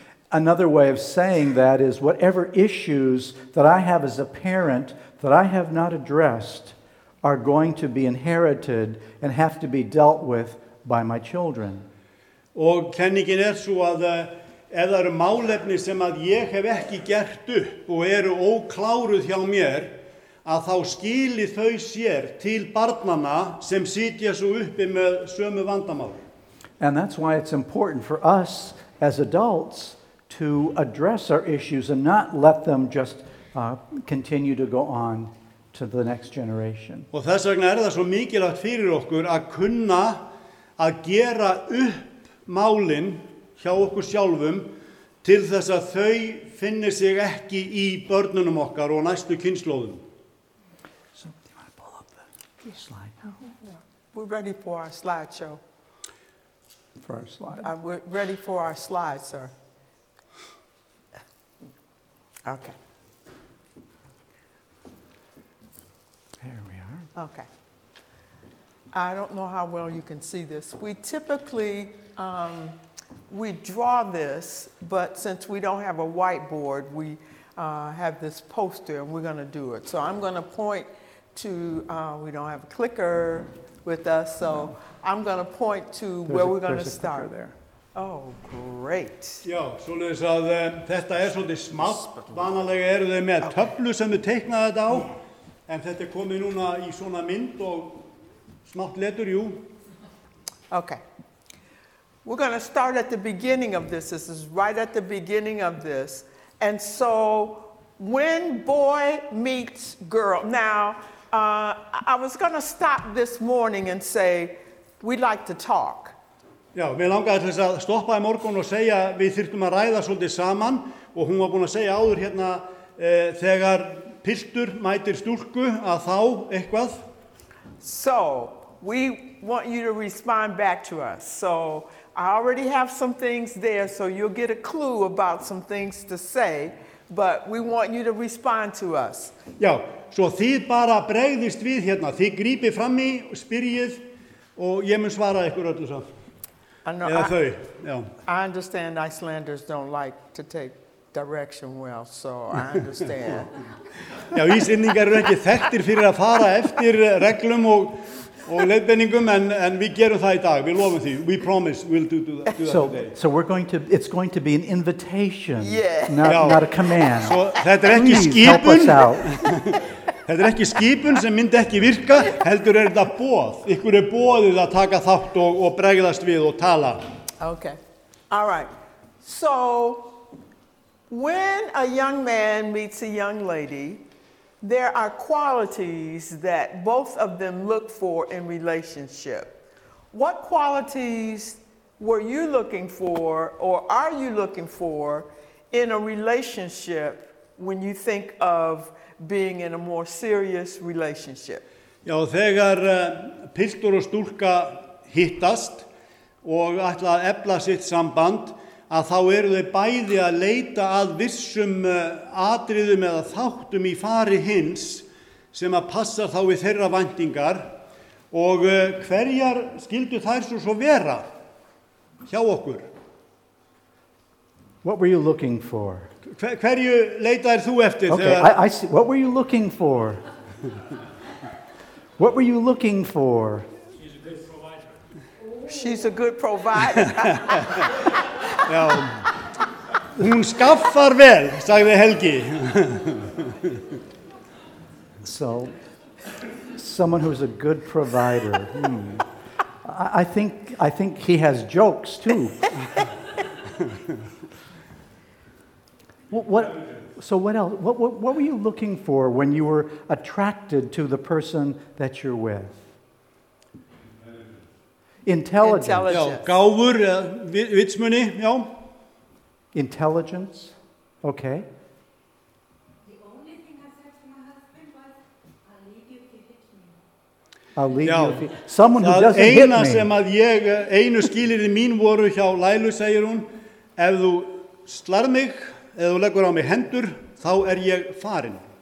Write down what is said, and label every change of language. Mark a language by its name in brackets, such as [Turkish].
[English] Another way of saying that is whatever issues that I have as a parent that I have not addressed are going to be inherited and have to be dealt with by my children. [Icelandic] Og kenningin sú að ef það málefni sem að ég hef ekki gert upp og ókláruð hjá mér, að þá skili þau sér til barnanna sem sitja svo uppi með sömu vandamál. [English] And that's why it's important for us as adults to address our issues and not let them just continue to go on to the next generation. [Icelandic] Og þess vegna það svo mikilvægt fyrir okkur að kunna að gera upp málin hjá okkur sjálfum til þess að þau finni sig ekki í börnunum okkar og næstu kynslóðum. [English] So, do you want to pull up the slide? Yeah. We're ready for our slideshow. For our slide. We're ready for our slide, sir. Okay. There we are. Okay. I don't know how well you can see this. We typically we draw this, but since we don't have a whiteboard, we have this poster and we're going to do it. So I'm going to point to, we don't have a clicker with us, so no. I'm going to point to there's where we're going to start. There. Oh, great. [Icelandic] Já, svoleiðis að þetta svolítið smátt. Vanalega þau með töflu sem þau teiknaði þetta á, en þetta komið núna í svona mynd og smátt letur, jú. [English] Okay. We're going to start at the beginning of this. This is right at the beginning of this. And so when boy meets girl. Now, I was going to stop this morning and say, we'd like to talk. [Icelandic] Já, mér langaði til þess að stoppa í morgun og segja, við þyrftum að ræða svolítið saman. Og hún var búin að segja áður hérna, þegar piltur mætir stúlku að þá eitthvað. [English] So, we want you to respond back to us. So, I already have some things there, so you'll get a clue about some things to say But we want you to respond to us. [Icelandic] Já, svo þið bara bregðist við hérna. Þið grípið fram í, spyrjið og ég mun svara ykkur öllu samt. [English] I understand Icelanders don't like to take direction well, so I understand. [Icelandic] Já, Íslendingar eru ekki þekktir fyrir að fara eftir reglum og, og leiðbeiningum, en við gerum það í dag, við lofum því. [English] We promise we'll do that so, today. So we're going to, it's going to be an invitation, not a command. So, [Icelandic] þetta er ekki skipun. [English] Please help us out. [Icelandic] Þetta er ekki skipun sem myndi ekki virka, heldur þetta boð. Ykkur boðið að taka þátt og, og bregðast við og tala. [English] Okay, all right. So, when a young man meets a young lady, there are qualities that both of them look for in relationship. What qualities were you looking for or are you looking for in a relationship when you think of being in a more serious relationship. [Icelandic] Já, þegar piltur og stúlka hittast og ætla að efla sitt samband, að þá eru þau bæði að leita að vissum atriðum eða þáttum í fari hins sem að passa þá við þeirra væntingar og hverjar skildu þær svo vera hjá okkur? [English] What were you looking for? [Icelandic] Hverju leitaðir þú eftir? [English] Okay, I see. What were you looking for? What were you looking for? She's a good provider. She's a good provider. [Icelandic] Já. Hún skaffar vel, sagði Helgi. [English] So, someone who's a good provider. Hmm. I think he has jokes too. What were you looking for when you were attracted to the person that you're with? Intelligence. [Icelandic] Gáfur, vitsmuni, já. [English] Intelligence. Okay. The only thing I said to my husband was, I'll leave you if you hit me. I'll leave you if you... Someone who doesn't hit me. [Icelandic] Eina sem að ég, einu skilirði mín voru hjá Lailu, segir hún, ef þú slar mig... Ef þú leggur á mig hendur, þá ég farin.